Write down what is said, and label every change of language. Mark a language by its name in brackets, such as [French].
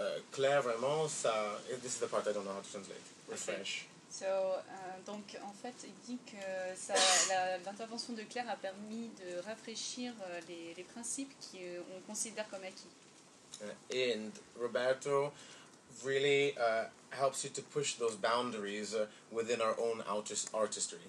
[French] Clair vraiment, ça, [English] this is the part I don't know how to translate. Refresh. [French] So, donc, en fait, il dit que ça, l'intervention de Clair a permis de rafraîchir les principes qu'on considère comme acquis. [English] And Roberto really helps you to push those boundaries within our own artistry.